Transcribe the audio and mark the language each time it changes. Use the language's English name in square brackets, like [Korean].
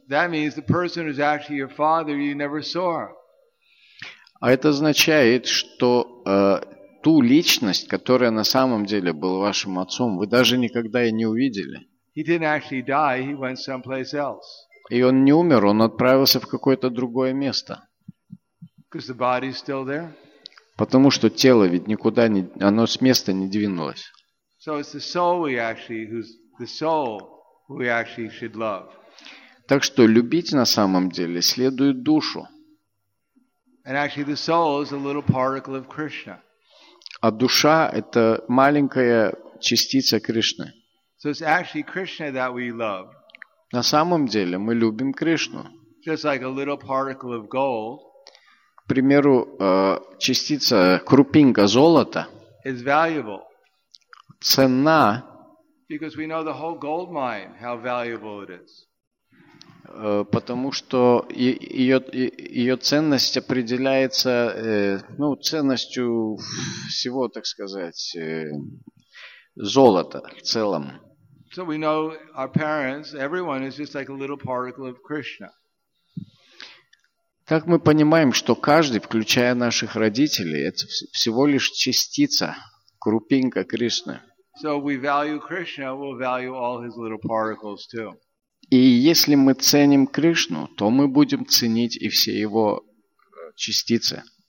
[English] That means the person who's actually your father you never saw. [Russian] А это означает, что ту личность, которая на самом деле была вашим отцом, вы даже никогда и не увидели. [English] He didn't actually die, he went someplace else. [Russian] И он не умер, он отправился в какое-то другое место. [English] Because the body's still there. [Russian] Потому что тело ведь никуда не, оно с места не двинулось. [English] So it's the soul we actually should love. [Russian] Так что любить на самом деле следует душу. [English] And actually the soul is a little particle of Krishna. [Russian] А душа это маленькая частица Кришны. [English] So it's actually Krishna that we love. [Russian] На самом деле мы любим Кришну. [English] Just like a little particle of gold. [Russian] К примеру, частица крупинка золота. [English] is valuable. [Russian] Цена. [English] Because we know the whole gold mine, how valuable it is. [Russian] Потому что ее ценность определяется, ну, ценностью всего, так сказать, золота в целом. [English] So we know our parents, everyone is just like a little particle of Krishna. [Russian] Так мы понимаем, что каждый, включая наших родителей, это всего лишь частица, крупинка Кришны. [English] So we value Krishna, we'll value all his little particles too. [Russian] И если мы ценим Кришну, то мы будем ценить и все его частицы.